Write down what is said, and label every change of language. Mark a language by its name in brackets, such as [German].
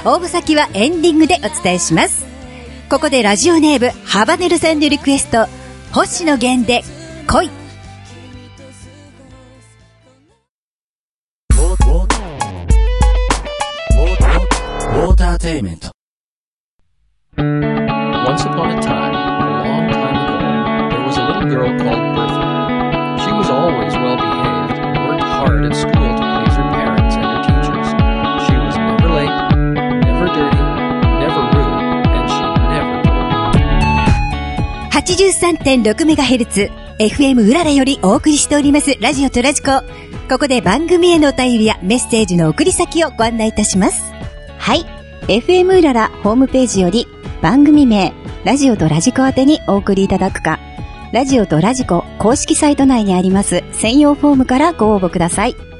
[Japanese] 応募先はエンディングでお伝えします。ここでラジオネームハバネルさんのリクエスト、星野源で恋。ウォーターテイメント。 [English] Once upon a time, a long time ago, there was a little girl called Bertha. She was always well-behaved and worked hard at school to please her parents and her teachers. She was never late, never dirty, never rude, and she never told her. 83.6 MHz [Japanese] FM うららよりお送りしておりますラジオとラジコ。ここで番組へのお便りやメッセージの送り先をご案内いたします。はい、 FM うららホームページより番組名ラジオとラジコ宛てにお送りいただくか、ラジオとラジコ公式サイト内にあります専用フォームからご応募ください。